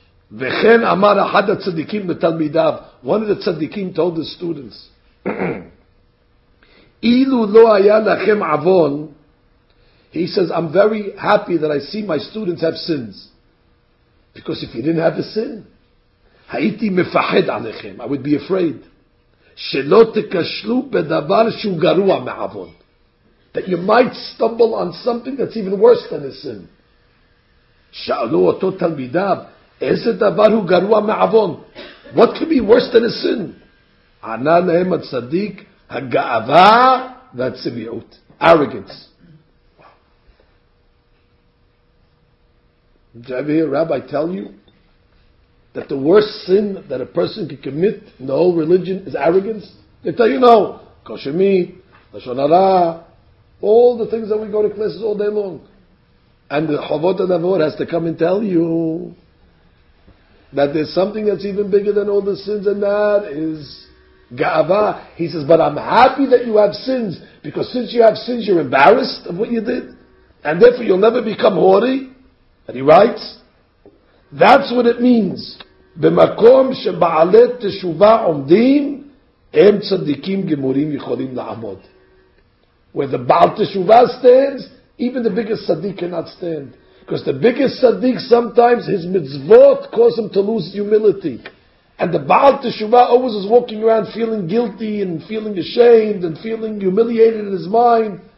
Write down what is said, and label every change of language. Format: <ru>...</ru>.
<he>V'chen amar ahad ha-tzaddikim b'talmidav.</he> <en>One of the tzaddikim told his students,</en> <he>Ilu lo haya lachem avon.</he> <en>He says, I'm very happy that I see my students have sins. Because if he didn't have a sin,</en> <he>הייתי מפחד עליכם.</he> <en>I would be afraid.</en> <he>שלא תקשלו בדבר שהוא גרוע מעוון.</he> <en>That you might stumble on something that's even worse than a sin.</en> <he>שאלו אותו תלמידיו, איזה דבר הוא גרוע מעוון?</he> <en>What could be worse than a sin?</en> <he>ענה להם הצדיק, הגאווה והצביעות.</he> <en>Arrogance. Wow. Did I hear Rabbi tell you that the worst sin that a person can commit in the whole religion is arrogance? They tell you, no, kosher meat, lashon hara, all the things that we go to classes all day long. And the Chavot HaNavot has to come and tell you that there's something that's even bigger than all the sins, and that is ga'ava. He says, but I'm happy that you have sins, because since you have sins, you're embarrassed of what you did, and therefore you'll never become haughty. And he writes, that's what it means.</en> <he>במקום שבעלי תשובה עומדים, הם צדיקים גמורים יכולים לעמוד.</he> <en>Where the Baal Teshuvah stands, even the biggest tzaddik cannot stand. Because the biggest tzaddik, sometimes his mitzvot cause him to lose humility. And the Baal Teshuvah always is walking around feeling guilty and feeling ashamed and feeling humiliated in his mind.</en>